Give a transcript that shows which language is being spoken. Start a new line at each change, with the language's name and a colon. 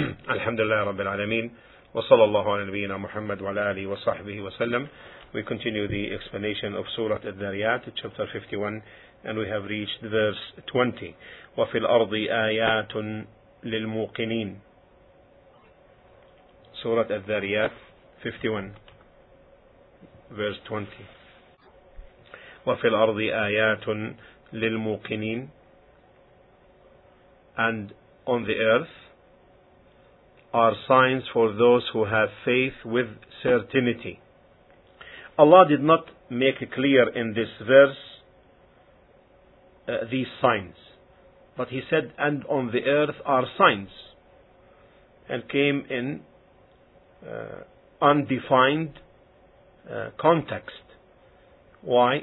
Arabic: الحمد لله رب العالمين، وصلى الله على نبينا محمد وعلى آله وصحبه وسلم.
English: We continue the explanation of Surah Al-Dhariyat, chapter 51, and we have reached verse 20.
Arabic: وفي الأرض آيات للموقنين.
English: Surah Al-Dhariyat, 51, verse 20.
Arabic: وفي الأرض آيات للموقنين.
English: And on the earth are signs for those who have faith with certainty. Allah did not make clear in this verse these signs, but He said, and on the earth are signs, and came in undefined context. Why?